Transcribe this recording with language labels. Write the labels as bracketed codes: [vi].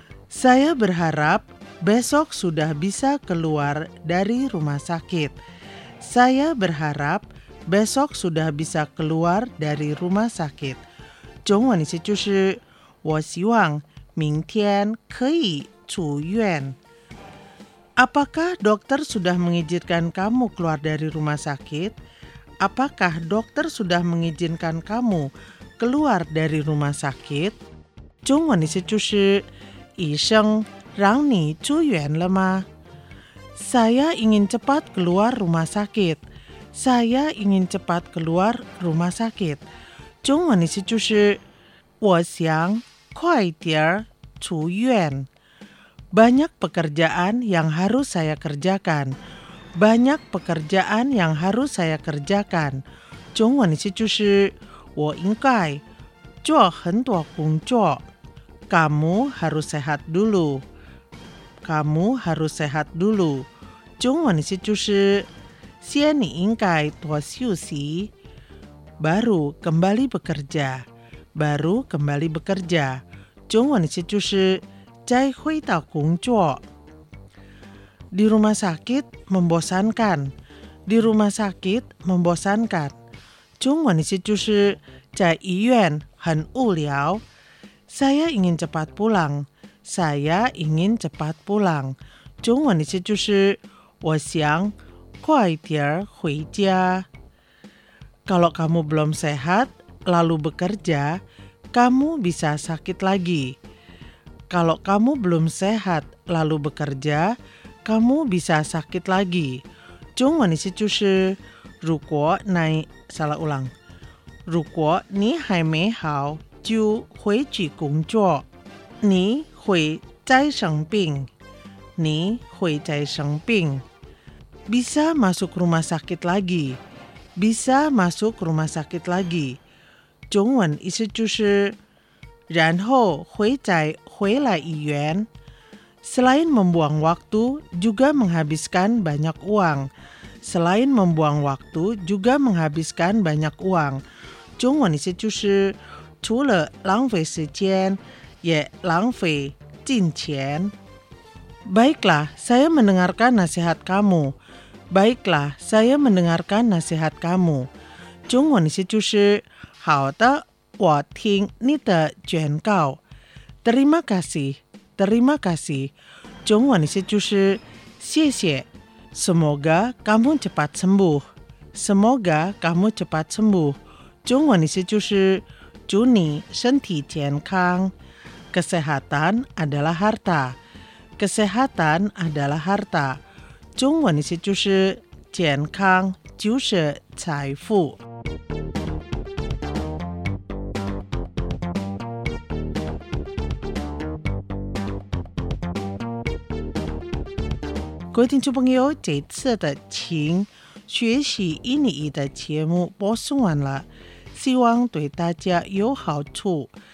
[id] Saya berharap besok sudah bisa keluar dari rumah sakit. Saya berharap besok sudah bisa keluar dari rumah sakit. [zh] 中文意思就是我希望明天可以出院。 [id] Apakah dokter sudah mengizinkan kamu keluar dari rumah sakit? Apakah dokter sudah mengizinkan kamu keluar dari rumah sakit? [zh] 中文意思就是医生让你出院了吗？ [id] Saya ingin cepat keluar rumah sakit. Saya ingin cepat keluar rumah sakit. [zh] 中文意思就是我想快点出院。 [id] Banyak pekerjaan yang harus saya kerjakan. Banyak pekerjaan yang harus saya kerjakan. [zh] 中文意思就是我应该做很多工作。 [id] Kamu harus sehat dulu. Kamu harus sehat dulu. [zh] 中文的意思就是先你应该多休息 [id] baru kembali bekerja. Baru kembali bekerja. [zh] 中文的意思就是再回到工作。 [id] Di rumah sakit membosankan. Di rumah sakit membosankan. [zh] 中文的意思就是在医院很无聊。 [id] Saya ingin cepat pulang. Saya ingin cepat pulang. [zh] 中文的意思就是我想快点回家。 [id] Kalau kamu belum sehat, lalu bekerja, kamu bisa sakit lagi. Kalau kamu belum sehat, lalu bekerja, kamu bisa sakit lagi. [zh] 中文的意思就是如果你 [id] salah ulang。 [zh] 如果你还没好就回去工作，你会再生病。你会再生病。 [id] Bisa masuk rumah sakit lagi. Bisa masuk rumah sakit lagi. [zh] 中文意思就是然后会再回来医院。 [id] Selain membuang waktu, juga menghabiskan banyak uang. Selain membuang waktu, juga menghabiskan banyak uang. [zh] 中文意思就是除了浪费时间也浪费金钱。 [id] Baiklah, saya mendengarkan nasihat kamu. Baiklah, saya mendengarkan nasihat kamu. [zh] 中文意思就是好的，我听你的劝告。 [id] Terima kasih, terima kasih. [zh] 中文意思就是谢谢。 [id] Semoga kamu cepat sembuh. Semoga kamu cepat sembuh. [zh] 中文意思就是祝你身体健康。 [id] Kesehatan adalah harta. Kesehatan adalah harta. [zh] 中文意思就是健康就是财富。各位听众朋友，这次的请学习印尼语的节目播送完了，希望对大家有好处。